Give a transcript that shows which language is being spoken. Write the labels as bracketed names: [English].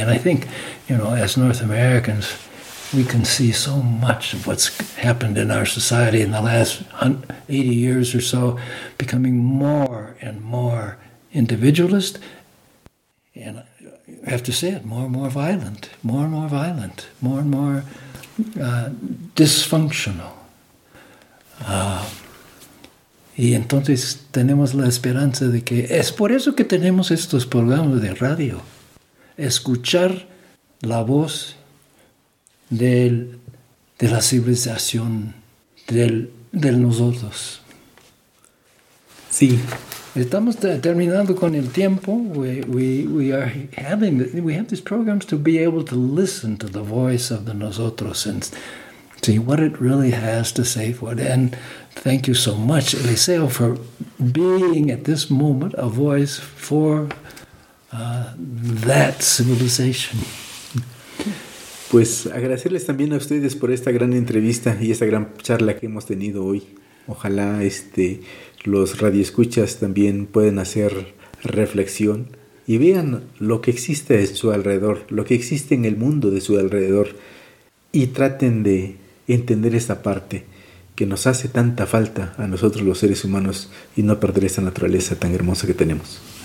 [English] And I think, you know, as North Americans, we can see so much of what's happened in our society in the last 80 years or so, becoming more and more individualist, and I have to say it, more and more violent, more and more violent, more and more dysfunctional. [Spanish] Y entonces tenemos la esperanza de que es por eso que tenemos estos programas de radio, escuchar la voz de la civilización, del nosotros. Sí. Estamos terminando con el tiempo. [English] We are having, we have these programs to be able to listen to the voice of the nosotros and see what it really has to say for it. And thank you so much, Eliseo, for being at this moment a voice for that civilization. [Spanish] Pues agradecerles también a ustedes por esta gran entrevista y esta gran charla que hemos tenido hoy. Ojalá los radioescuchas también puedan hacer reflexión y vean lo que existe en su alrededor, lo que existe en el mundo de su alrededor, y traten de entender esta parte que nos hace tanta falta a nosotros los seres humanos, y no perder esa naturaleza tan hermosa que tenemos.